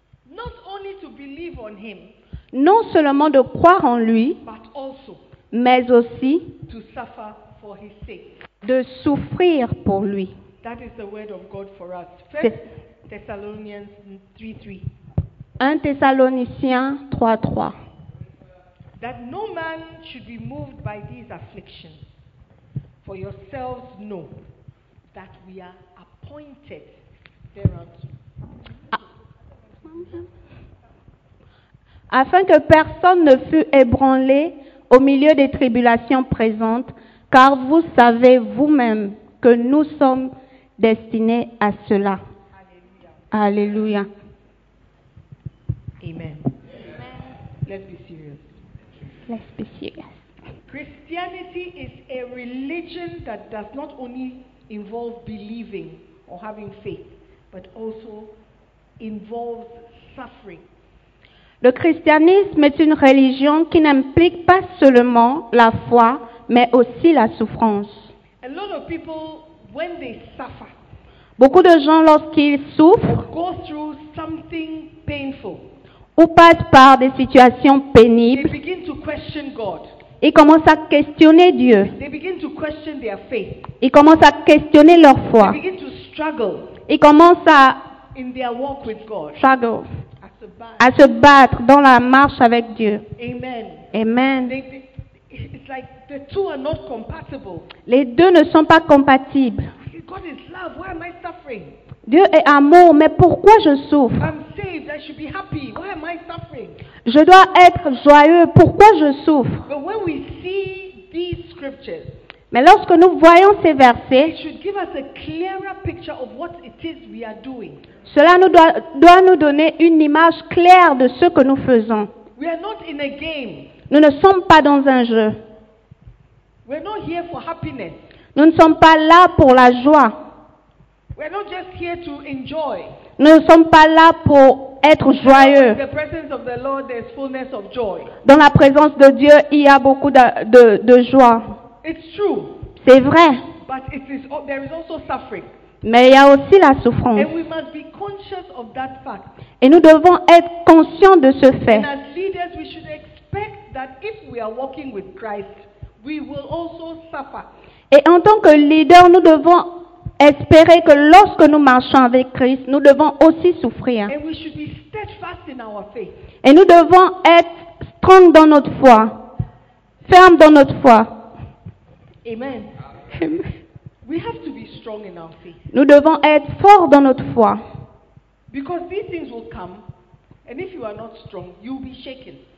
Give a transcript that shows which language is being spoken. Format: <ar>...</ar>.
<en>not only to believe on him,</en> <fr>non seulement de croire en lui,</fr> <en>but also</en> <fr>mais aussi</fr> <en>to suffer for his sake.</en> <fr>De souffrir pour lui.</fr> <en>That is the word of God for us. 1 Thessalonians 3:3.</en> <fr>1 Thessaloniciens 3:3.</fr> <en>That no man should be moved by these afflictions. For yourselves know that we are appointed thereunto.</en> <fr>Afin que personne ne fût ébranlé au milieu des tribulations présentes, car vous savez vous-même que nous sommes destinés à cela. Alléluia. Alléluia. Amen. Amen.</fr> <en>Let's be serious. Let's be serious. Christianity is a religion that does not only involve believing or having faith, but also involves suffering.</en> <fr>Le christianisme est une religion qui n'implique pas seulement la foi, mais aussi la souffrance.</fr> <en>A lot of people, when they suffer,</en> <fr>beaucoup de gens, lorsqu'ils souffrent,</fr> <en>go through something painful,</en> <fr>ou passent par des situations pénibles,</fr> <en>they begin to question God.</en> <fr>Ils commencent à questionner Dieu.</fr> <en>They begin to question their faith.</en> <fr>Ils commencent à questionner leur foi.</fr> <en>They begin to struggle.</en> <fr>Ils commencent à</fr> <en>in their walk with God. Struggle.</en> <fr>À se battre dans la marche avec Dieu. Amen. Amen.</fr> <en>It's like the two are not compatible.</en> <fr>Les deux ne sont pas compatibles.</fr> <en>God is love. Why am I suffering?</en> <fr>Dieu est amour, mais pourquoi je souffre?</fr> <en>I'm saved. I should be happy. Why am I suffering?</en> <fr>Je dois être joyeux. Pourquoi je souffre?</fr> <en>But when we see these scriptures,</en> <fr>mais lorsque nous voyons ces versets,</fr> <en>it should give us a clearer picture of what it is we are doing.</en> <fr>Cela nous doit nous donner une image claire de ce que nous faisons.</fr> <en>We are not in a game.</en> <fr>Nous ne sommes pas dans un jeu.</fr> <en>We are not here for happiness.</en> <fr>Nous ne sommes pas là pour la joie.</fr> <en>We are not just here to enjoy.</en> <fr>Nous ne sommes pas là pour être joyeux.</fr> <en>In the presence of the Lord, there is fullness of joy.</en> <fr>Dans la présence de Dieu, il y a beaucoup de joie.</fr> <en>It's true.</en> <fr>C'est vrai.</fr> <en>But there is also suffering.</en> <fr>Mais il y a aussi la souffrance.</fr> <en>And we must be conscious of that fact.</en> <fr>Et nous devons être conscients de ce fait.</fr> <en>And as leaders, we should expect that if we are walking with Christ, we will also suffer.</en> <fr>Et en tant que leader, nous devons espérer que lorsque nous marchons avec Christ, nous devons aussi souffrir.</fr> <en>And we should be steadfast in our faith.</en> <fr>Et nous devons être strong dans notre foi, ferme dans notre foi. Amen.</fr> <en>We have to be strong in our faith.</en> <fr>Nous devons être forts dans notre foi.</fr> <en>Because these things will come, and if you are not strong, you will be shaken.</en>